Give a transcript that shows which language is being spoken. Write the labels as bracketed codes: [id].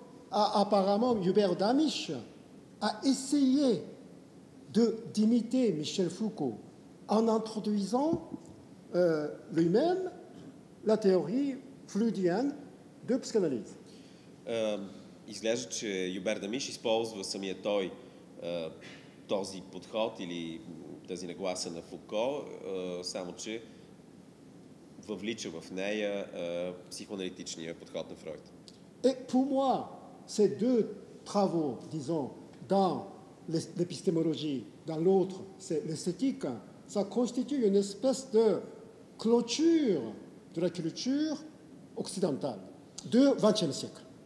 [fr] Apparemment, Hubert Damisch a essayé d'imiter Michel Foucault en introduisant lui-même la théorie freudienne de psychanalyse. [bg] Изглежда, че Hubert Damisch използва самия той този подход или тази нагласа на Фуко, само че въвлича в нея психоаналитичния подход на Фройд. [fr] Et pour moi, ces deux travaux, disons, dans l'épistémologie, dans l'autre, c'est l'esthétique, ça constitue une espèce de clôture de la culture occidentale du XXe siècle.